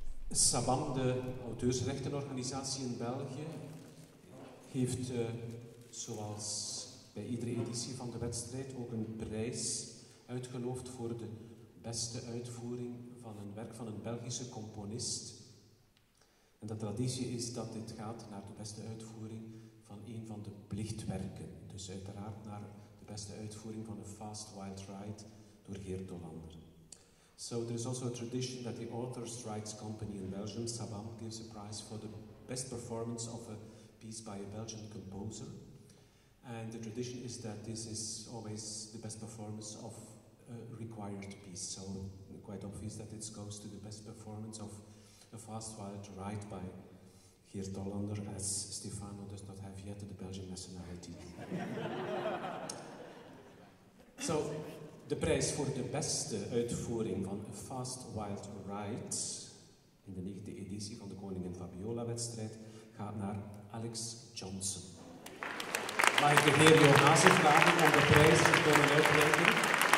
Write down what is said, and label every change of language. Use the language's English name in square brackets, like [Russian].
[Dutch] Sabam, de auteursrechtenorganisatie in België, heeft zoals bij iedere editie van de wedstrijd ook een prijs uitgeloofd voor de beste uitvoering van een werk van een Belgische componist. En de traditie is dat dit gaat naar de beste uitvoering van een van de plichtwerken. Dus uiteraard naar de beste uitvoering van A Fast Wild Ride door Geert Dolander. [English] So there is also a tradition that the Authors' Rights Company in Belgium, Sabam, gives a prize for the best performance of a piece by a Belgian composer. And the tradition is that this is always the best performance of a required piece. So quite obvious that it goes to the best performance of A Fast Wild Ride by Geert Dolander, as Stefano does not have yet the Belgian nationality. [Dutch] So, de prijs voor de beste uitvoering van A Fast Wild Ride in de 9e editie van de Koningin Fabiola-wedstrijd gaat naar Alex Johnson. Mag ik de heer Johansen vragen om de prijs te komen uitreiken?